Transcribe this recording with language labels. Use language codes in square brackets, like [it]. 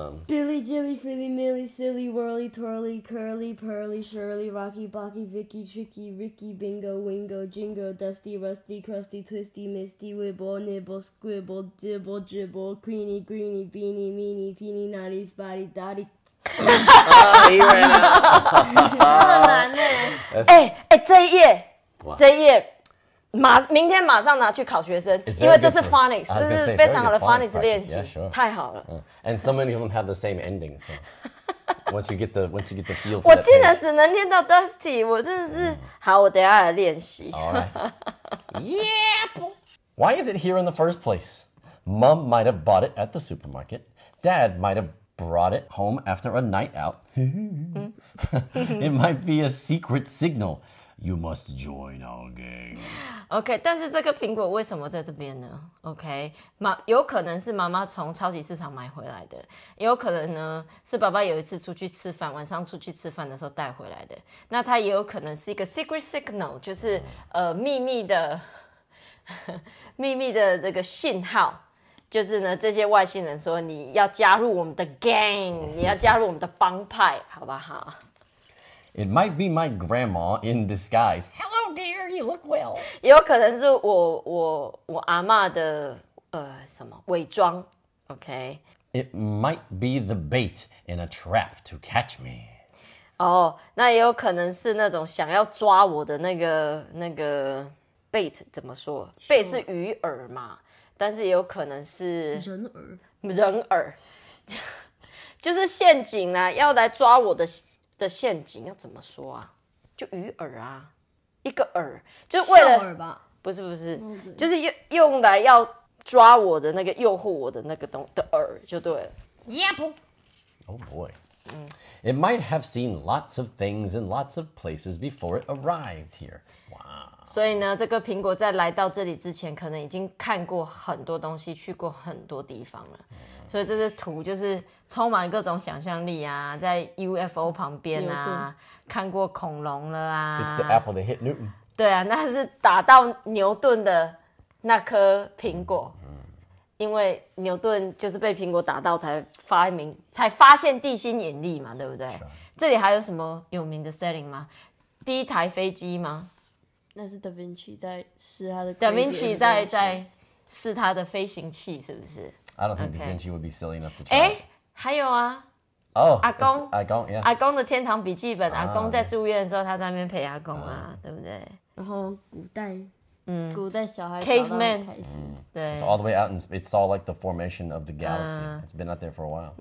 [en] Billy, Jilly, Frilly, Milly, Silly, Whirly, Twirly, Curly, Pearly, Shirley, Rocky, Blocky, Vicky, Tricky, Ricky, Bingo, Wingo, Jingo, Dusty, Rusty, Crusty, Twisty, Misty, Wibble, Nibble, Squibble, Dibble, Dribble, Creeny, Greeny, Beanie, Meanie, Teeny, Naughty, Spotty, Dotty. 哈哈哈哈哈！ [zh] 很难呢。哎哎，这一页，这一页。明天马上拿去考学生，因为这是 phonics， 是非常好的 phonics 练习， [en] yeah, sure. [zh] 太好了。 [en] And so many of them have the same ending. So once you get the feel for [zh] 我竟然只能念到 dusty， 我真的是、好，我等一下来练习。 [en] Yep. Why is it here in the first place? Mom might have bought it at the supermarket. Dad might have brought it home after a night out. It might be a secret signal. You must join our gang. [zh] Okay, 但是这个苹果为什么在这边呢 ？Okay, 有可能是妈妈从超级市场买回来的，有可能呢是爸爸有一次出去吃饭，晚上出去吃饭的时候带回来的。那它也有可能是一个 secret signal， 就是、秘密的秘密的这个信号，就是呢这些外星人说你要加入我们的 gang， 你要加入我们的帮派，好不好？ [en] It might be my grandma in disguise. Hello, dear. You look well. [zh] 也有可能是我阿嬷的什么伪装 ，OK。 It might be the bait in a trap to catch me. 哦，那也有可能是那种想要抓我的那个 bait 怎么说 ？bait 是鱼饵嘛，但是也有可能是人饵，就是陷阱啊，要来抓我的。的陷阱要怎么说啊？就鱼饵啊，一个饵，就是为了饵吧？不是不是，就是用来要抓我的那个诱惑我的那个东的饵就对了。 [en] Yep. Oh boy. It might have seen lots of things in lots of places before it arrived here. Wow. [zh] 所以呢，这个苹果在来到这里之前，可能已经看过很多东西，去过很多地方了。所以这是图，就是充满各种想象力啊，在 UFO 旁边啊，看过恐龙了啊。 [en] It's the apple that hit Newton. [zh] 对啊，那是打到牛顿的那颗苹果，因为牛顿就是被苹果打到才发现地心引力嘛，对不对？这里还有什么有名的 setting 吗？第一台飞机吗？那是达芬奇在试他的。达芬奇在试他的飞行器，是不是？ [en] I don't think Da Vinci would be silly enough to try. [zh] 哎、欸，还有啊，哦、oh, ，阿公，阿公， yeah. 阿公的天堂笔记本， 阿公在住院的时候，他在那边陪阿公啊， 对不对？然后古代，古代小孩 [en] caveman、对 ，it's all the way out and it saw like the formation of the galaxy.、It's been out there for a while.